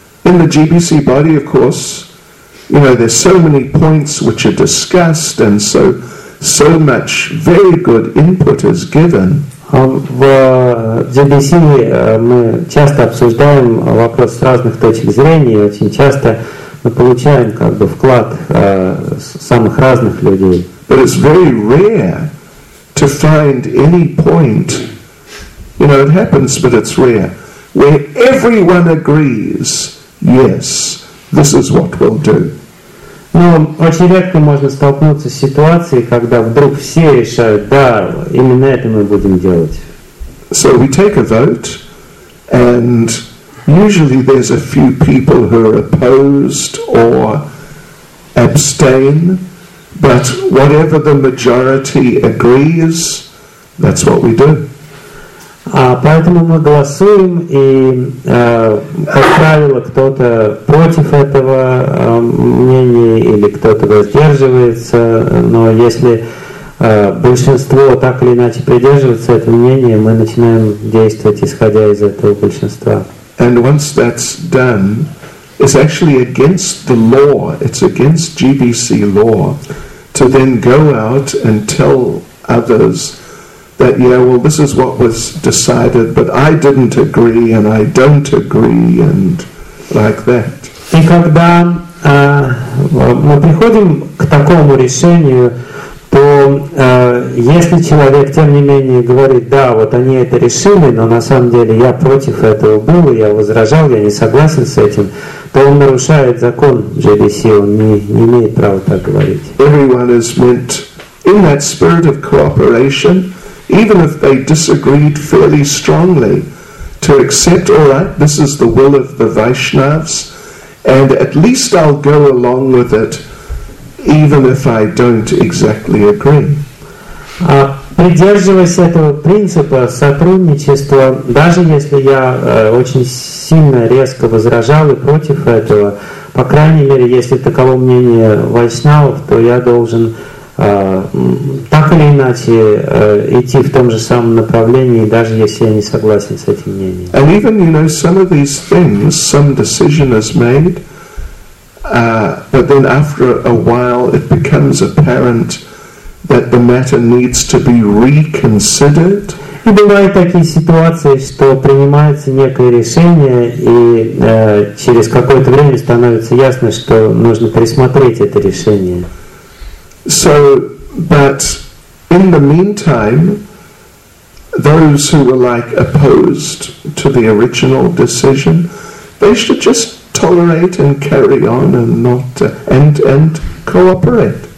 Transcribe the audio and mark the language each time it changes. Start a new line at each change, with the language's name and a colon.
English: In the GBC body, of course, there's so many points which are discussed, and so much very good input is given.
Russian: В GBC мы часто обсуждаем вопрос с разных точек зрения, очень часто мы получаем вклад самых разных людей.
English: But it's very rare to find any point, it happens, but it's rare, where everyone agrees, yes, this is what we'll do.
Russian: Но очень редко можно столкнуться с ситуацией, когда вдруг все решают, да, именно это мы будем делать.
English: So we take a vote, and usually there's a few people who are opposed or abstain, but whatever the majority agrees, that's what we do.
Russian: Поэтому мы голосуем, и, как правило, кто-то против этого мнения, или кто-то воздерживается, но если большинство так или иначе придерживается этого мнения, мы начинаем действовать, исходя из этого большинства.
English: And once that's done, it's actually against the law, it's against GBC law, to then go out and tell others, that, yeah, well, this is what was decided, but I didn't agree, and I don't agree, and like that.
Russian: И когда мы приходим к такому решению, то если человек, тем не менее, говорит, да, вот они это решили, но на самом деле я против этого был, я возражал, я не согласен с этим, то он нарушает закон GBC, он не имеет права так говорить.
English: Everyone is meant in that spirit of cooperation, even if they disagreed fairly strongly, to accept, all right, this is the will of the Vaishnavs, and at least I'll go along with it, even if I don't exactly agree.
Russian: Придерживаясь этого принципа сотрудничества, даже если я очень сильно, резко возражал и против этого, по крайней мере, если таково мнение Вайшнавов, то я должен... так или иначе идти в том же самом направлении, даже если я не согласен с этим мнением.
English: And even, you know, some of these things, some decision is made, but then after a while it becomes apparent that the matter needs to be reconsidered.
Russian: И бывают такие ситуации, что принимается некое решение, и через какое-то время становится ясно, что нужно пересмотреть это решение.
English: So, but in the meantime, those who were like opposed to the original decision, they should just tolerate and carry on and not and cooperate.